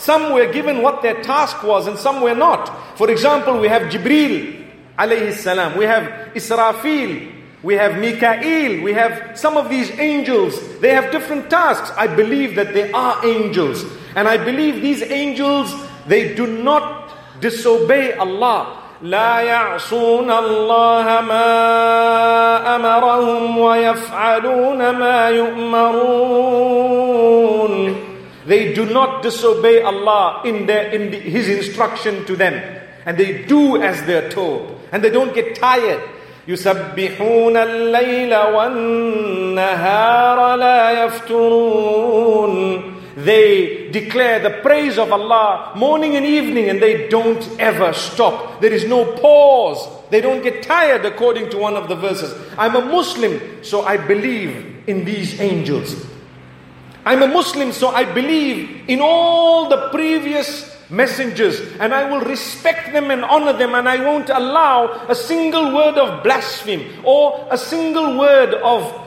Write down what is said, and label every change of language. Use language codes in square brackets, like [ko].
[en] Some were given what their task was and some were not. For example, we have Jibreel alayhi salam. We have Israfil. We have Mikael. We have some of these angels. They have different tasks. I believe that they are angels. And I believe these angels, they do not disobey Allah. [ar] لا يعصون الله ما أمرهم ويفعلون ما يؤمرون. [en] They do not disobey Allah in His instruction to them, and they do as they're told, and they don't get tired. [ar] يسبحون الليل والنهار لا يفترون. [en] They declare the praise of Allah morning and evening, and they don't ever stop. There is no pause. They don't get tired, according to one of the verses. I'm a Muslim, so I believe in these angels. I'm a Muslim, so I believe in all the previous messengers, and I will respect them and honor them, and I won't allow a single word of blaspheme or a single word of